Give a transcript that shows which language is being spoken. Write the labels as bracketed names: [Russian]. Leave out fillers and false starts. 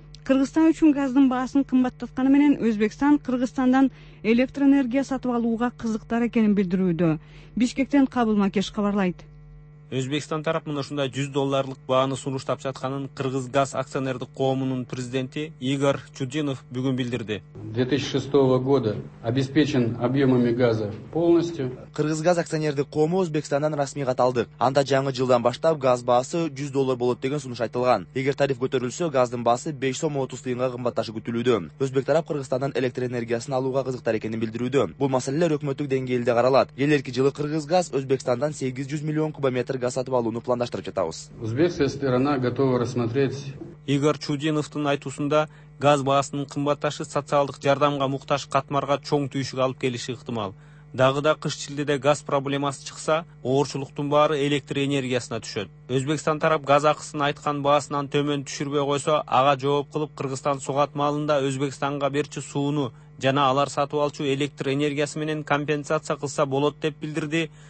[Kyrgyz] Кыргызстан үчүн газдын баасын кымбаттатканы менен Өзбекстан Кыргызстандан электр энергия сатып алууга кызыктар экенин билдирүүдө. Бишкектен Кабыл Макеш кабарлайт. Өзбекстан тарап мына ушундай $100 бааны сунуштап жатканын Кыргыз газ акционердик коомунун президенти Игорь Чудинов бүгүн билдирди. [Russian] 2006 года обеспечен объемами газа полностью. [Kyrgyz] Кыргыз газ акционердик коому Өзбекстандан расмий кат алды. Анда жаңы жылдан баштап газ баасы $100 болот деген сунуш айтылган. Эгер тариф көтөрүлсө, газдын баасы 5 сом 30 тыйынга кымбатташы күтүлүүдө. Өзбек тарап Кыргызстандан электр энергиясын алууга кызыктар экенин билдирүүдө. Бул маселелер өкмөттүк деңгээлде каралат. Келерки жылы Кыргыз газ Өзбекстандан 800 миллион кубометр газ сатып алууну пландаштырып жатабыз. [Russian] Өзбекская сторона готова рассмотреть. [Kyrgyz] Игорь Чудиновтун айтуусунда газ баасынын кымбатташы социалдык жардамга муктаж катмарга чоң түйшүк алып келиши ыктымал. Дагы да кыш чилдеде газ проблемасы чыкса, оорчулуктун баары электр энергиясына түшөт. Өзбекстан тарап газ акысын айткан баасынан төмөн түшүрбөй койсо, ага жооп кылып Кыргызстан сугат маалында Өзбекстанга берчи сууну жана алар сатып алчу электр энергиясы менен компенсация кылса болот деп билдирди.